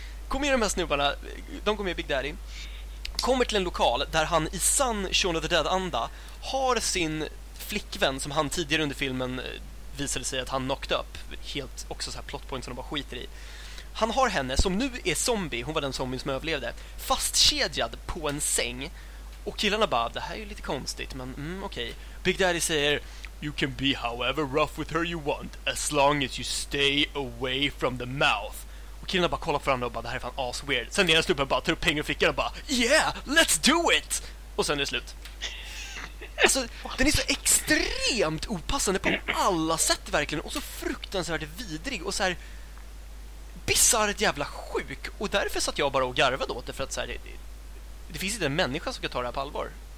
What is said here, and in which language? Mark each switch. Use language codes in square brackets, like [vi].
[sv] Kommer ju de här snubbarna, de kommer med Big Daddy, kommer till en lokal där han i sann Shaun of the Dead-anda har sin flickvän som han tidigare under filmen visade sig att han [en] knocked up. [sv] Helt också så här plot point som de bara skiter i. Han har henne, som nu är zombie, hon var den zombie som överlevde, fastkedjad på en säng. Och killarna bara, det här är ju lite konstigt, men okej. [en] Okay. [sv] Big Daddy säger, [en] you can be however rough with her you want, as long as you stay away from the mouth. [sv] Och killarna bara kollar fram och bara, det här är fan ass weird. Sen den här snubben bara tar upp pengar och fickar och bara, [en] yeah, let's do it! [sv] Och sen är det slut. Alltså, den är så extremt opassande på alla sätt verkligen, och så fruktansvärt vidrig, och så här... bizarrt jävla sjuk. Och därför satt jag bara och garvade åt det, för att så här, det finns inte en människa som kan ta det här på allvar.